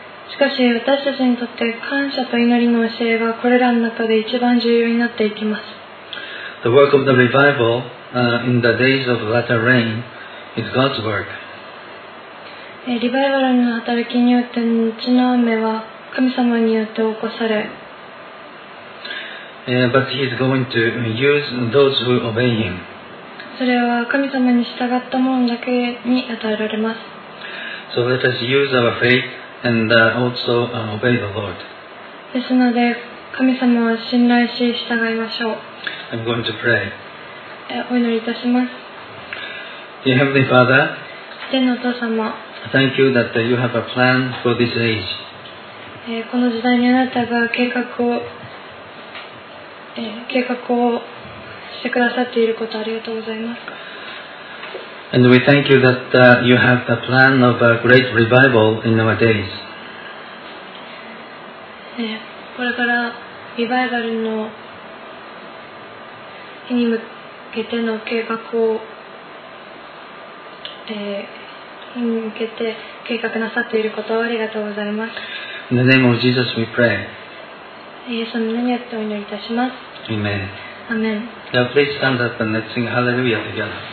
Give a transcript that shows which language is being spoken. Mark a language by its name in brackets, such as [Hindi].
[Japanese] しかし私たちにとって感謝と祈りの教えがこれらの中で一番重要になっていきます。 [English] The work of the revival, in the days of latter rain is God's work. [Japanese] リバイバルの働きによって後の雨は神様によって起こされ。 [English] But he is going to use those who obey him. [Japanese] それは神様に従った者だけに与えられます。 [English] So let us use our faith.And also obey the Lord. [Japanese] ですので、神様を信頼し従いましょう。 [English] I'm going to pray. [Japanese] お祈りいたします。 [English] Dear Heavenly Father, [Japanese] 天のお父様、 [English] Thank you that you have a plan for this age. [Japanese] この時代にあなたが計画を、計画をしてくださっていることありがとうございます。 [English] And we thank you that you have the plan of a great revival in our days. [Japanese] これからリバイバルの日に向けての計画を、日に向けて計画なさっていることをありがとうございます。 [English] In the name of Jesus we pray. [Japanese] イエスの名によってお祈りいたします。 [English] Amen. Amen. Now please stand up and let's sing Hallelujah together.